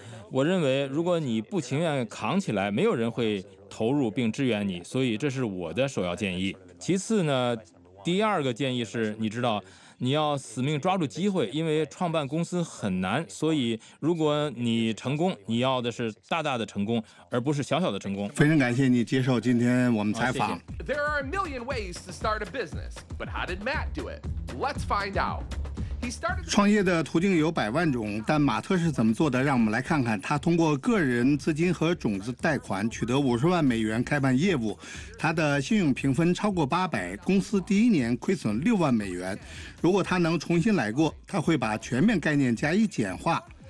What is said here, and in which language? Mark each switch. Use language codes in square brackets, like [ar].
[zh] 我认为如果你不情愿扛起来，没有人会投入并支援你，所以这是我的首要建议。其次呢，第二个建议是，你知道你要死命抓住机会，因为创办公司很难，所以如果你成功，你要的是大大的成功，而不是小小的成功。非常感谢你接受今天我们采访。谢谢。 [en] There are a million ways to start a business, but how did Matt do it? Let's find out. He started... [zh] 创业的途径有百万种，但马特是怎么做的，让我们来看看。他通过个人资金和种子贷款取得50万美元开办业务，他的信用评分超过800，公司第一年亏损6万美元。如果他能重新来过，他会把全面概念加以简化。